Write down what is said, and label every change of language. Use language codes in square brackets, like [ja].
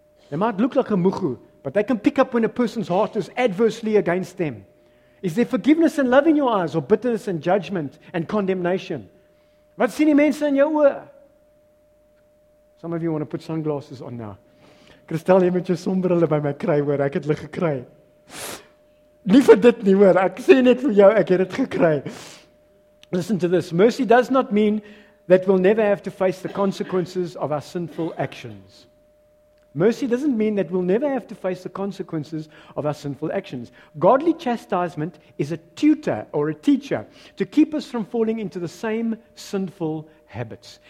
[en] They might look like a muhu, but they can pick up when a person's heart is adversely against them. Is there forgiveness and love in your eyes, or bitterness and judgment and condemnation? [af] Wat sien die mense in jou oë? [en] Some of you want to put sunglasses on now. [af] Kristel, jy moet jou sonbrille by my kry, hoor, ek het hulle gekry. Nie vir dit nie, hoor, ek sê net vir jou, ek het dit gekry. [en] Listen to this, mercy does not mean that we'll never have to face the consequences of our sinful actions. Mercy doesn't mean that we'll never have to face the consequences of our sinful actions. Godly chastisement is a tutor or a teacher to keep us from falling into the same sinful habits.